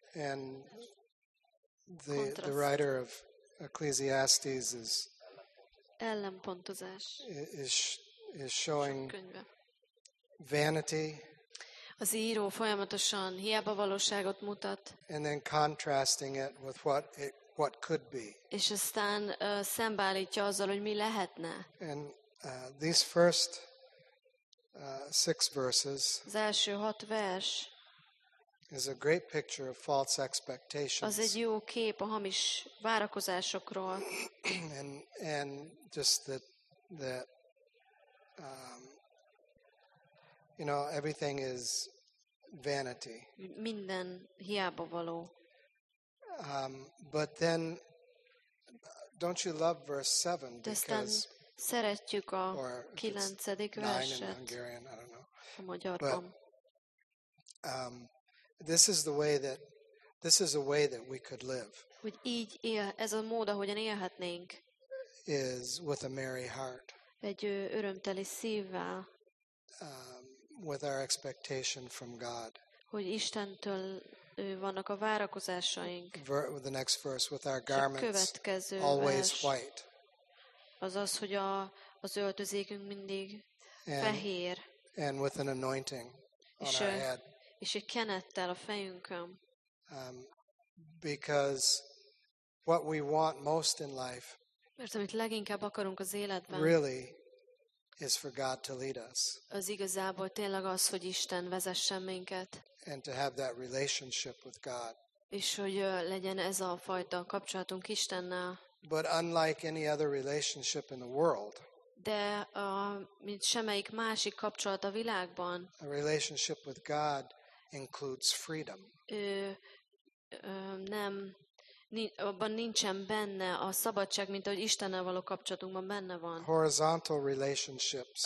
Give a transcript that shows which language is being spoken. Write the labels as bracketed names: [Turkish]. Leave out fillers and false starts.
[English] And the writer of Ecclesiastes is [Hungarian] ellenpontozás. [English] Is showing [Hungarian] könyve. [English] Vanity. [Hungarian] Az író folyamatosan hiába valóságot mutat. [English] And then contrasting it with what could be. [Hungarian] És aztán szembeállítja azzal, hogy mi lehetne. [English] And these first six verses. [Hungarian] Az első hat vers. [English] Is a great picture of false expectations. [Hungarian] Az egy jó kép a hamis várakozásokról. [English] And just that. You know, everything is vanity. [Hungarian] Minden hiába való. [English] But then, don't you love verse 7? Because [Hungarian] szeretjük a 9. verset. [English] Nine in Hungarian, I don't know. [Hungarian] A magyarban. [English] But, this is a way that we could live. [Hungarian] Hogy így él, ez a mód, ahogyan élhetnénk. [English] Is with a merry heart. [Hungarian] Egy örömteli szívvel. [English] With our expectation from God. [Hungarian] Hogy Istentől vannak a várakozásaink. [English] The next verse, with our garments always white. [Hungarian] Azaz, hogy az öltözékünk mindig fehér. [English] And with an anointing on our head. [Hungarian] És egy kenettel a fejünkön. [English] Because what we want most in life. [Hungarian] Mert amit leginkább akarunk az életben. [English] Really. Is for God to lead us. [Hungarian] Az igazából tényleg az, hogy Isten vezessen minket. [English] And to have that relationship with God. [Hungarian] És hogy legyen ez a fajta kapcsolatunk Istennel. [English] But unlike any other relationship in the world. [Hungarian] De mint semmelyik másik kapcsolat a világban. [English] A relationship with God includes freedom. [Hungarian] Nem. Abban nincsen benne a szabadság, mint ahogy Istennel való kapcsolatunkban benne van. [English] Horizontal relationships.